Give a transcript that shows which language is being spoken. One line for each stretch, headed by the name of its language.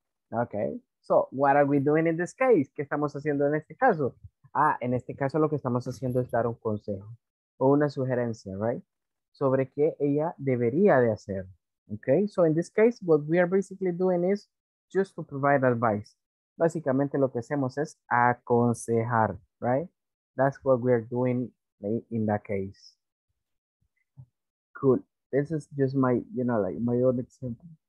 English: Okay, so what are we doing in this case?
Spanish: ¿Qué estamos haciendo en este caso? Ah, en este caso lo que estamos haciendo es dar un consejo o una sugerencia,
English: right?
Spanish: Sobre qué ella debería de hacer.
English: Okay, so in this case, what we are basically doing is just to provide advice.
Spanish: Básicamente lo que hacemos es aconsejar,
English: right? That's what we are doing in that case. Cool. This is just my, you know, like my own example.